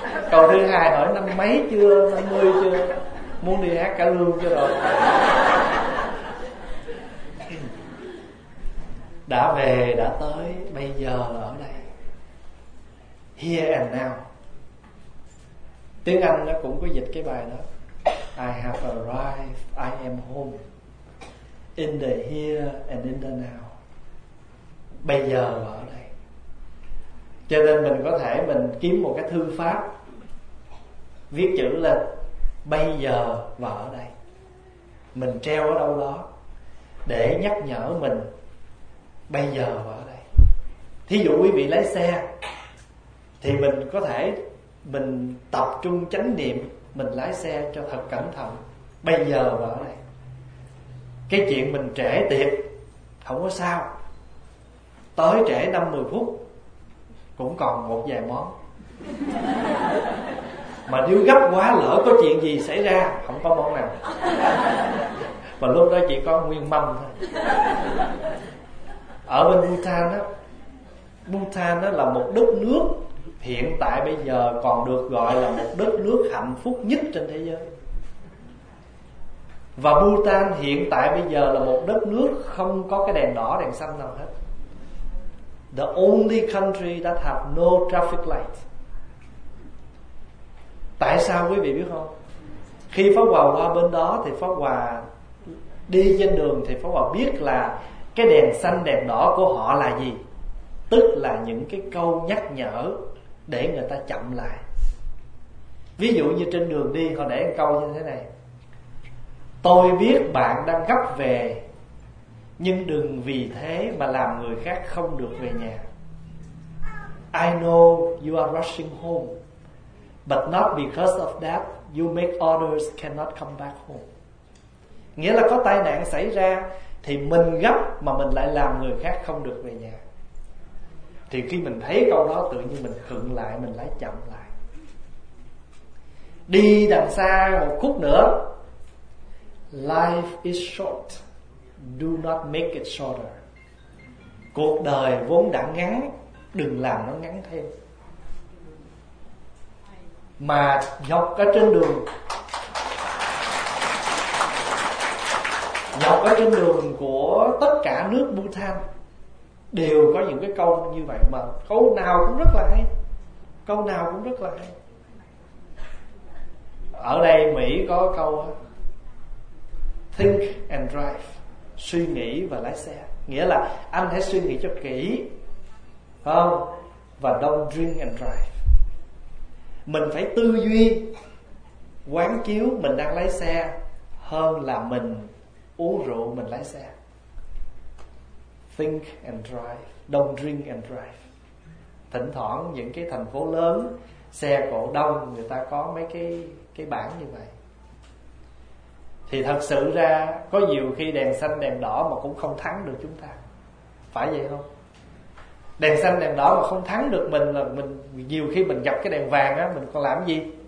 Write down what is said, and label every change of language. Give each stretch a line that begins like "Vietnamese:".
Vietnamese: Câu thứ hai hỏi năm mấy chưa, 50 chưa, muốn đi hát cả lương chưa rồi. Đã về, đã tới, bây giờ ở đây.
English: Here and now.
Vietnamese: Tiếng Anh nó cũng có dịch cái bài đó.
English: I have arrived, I am home. In the here and in the now.
Vietnamese: Bây giờ ở đây. Cho nên mình có thể mình kiếm một cái thư pháp, viết chữ lên bây giờ và ở đây. Mình treo ở đâu đó để nhắc nhở mình bây giờ và ở đây. Thí dụ quý vị lái xe thì mình có thể mình tập trung chánh niệm, mình lái xe cho thật cẩn thận, bây giờ và ở đây. Cái chuyện mình trễ tiệc không có sao, tới trễ 5-10 phút cũng còn một vài món. Mà nếu gấp quá lỡ có chuyện gì xảy ra, không có món nào. Và lúc đó chỉ có nguyên mâm thôi. Ở bên Bhutan á, Bhutan á là một đất nước hiện tại bây giờ còn được gọi là một đất nước hạnh phúc nhất trên thế giới. Và Bhutan hiện tại bây giờ là một đất nước không có cái đèn đỏ đèn xanh nào hết.
English: The only country that have no traffic light.
Vietnamese: Tại sao quý vị biết không? Khi Pháp Hòa qua bên đó thì Pháp Hòa đi trên đường thì Pháp Hòa biết là cái đèn xanh đèn đỏ của họ là gì. Tức là những cái câu nhắc nhở để người ta chậm lại. Ví dụ như trên đường đi họ để một câu như thế này: tôi biết bạn đang gấp về, nhưng đừng vì thế mà làm người khác không được về nhà.
English: I know you are rushing home, but not because of that you make others cannot come back home.
Vietnamese: Nghĩa là có tai nạn xảy ra thì mình gấp mà mình lại làm người khác không được về nhà. Thì khi mình thấy câu đó tự nhiên mình khựng lại, mình lái chậm lại. Đi đằng xa một khúc nữa.
English: Life is short, do not make it shorter.
Vietnamese: Cuộc đời vốn đã ngắn, đừng làm nó ngắn thêm. Mà dọc ở trên đường, dọc ở trên đường của tất cả nước Bhutan đều có những cái câu như vậy, mà câu nào cũng rất là hay, câu nào cũng rất là hay. Ở đây Mỹ có câu
English: think and drive,
Vietnamese: suy nghĩ và lái xe. Nghĩa là anh hãy suy nghĩ cho kỹ, không? Và
English: don't drink and drive.
Vietnamese: Mình phải tư duy, quán chiếu mình đang lái xe hơn là mình uống rượu mình lái xe.
English: Think and drive, don't drink and drive.
Vietnamese: Thỉnh thoảng những cái thành phố lớn xe cộ đông, người ta có mấy cái bảng như vậy. Thì thật sự ra có nhiều khi đèn xanh đèn đỏ mà cũng không thắng được chúng ta, phải vậy không? Đèn xanh đèn đỏ mà không thắng được mình là mình nhiều khi mình gặp cái đèn vàng á, mình còn làm gì?